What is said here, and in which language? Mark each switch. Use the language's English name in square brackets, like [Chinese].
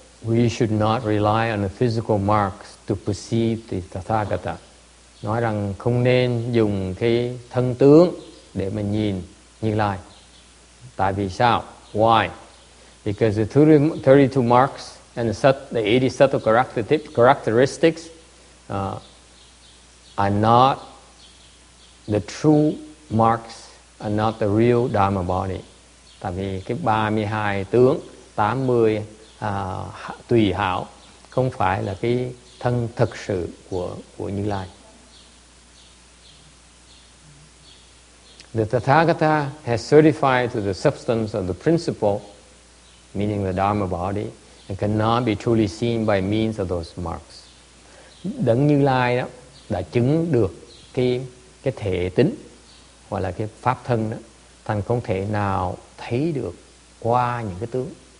[English] We should not rely on the physical marks to perceive the Tathagata. [Vietnamese] Nói rằng không nên dùng cái thân tướng để mà nhìn Như Lai. Tại vì sao? [English] Why? Because the 32 marks and the 80 subtle characteristics are not the true marks, are not the real Dharma body. [Vietnamese] Tại vì cái 32 tướng, 80 tùy hảo, không phải là cái thân thực sự của Như Lai. [English] The Tathagata has certified to the substance of the principle, meaning the Dharma body, and cannot be truly seen by means of those marks. [Vietnamese] Đấng Như Lai đó đã chứng được cái thể tính hoặc là cái pháp thân đó, thành không thể nào thấy được qua những cái tướng.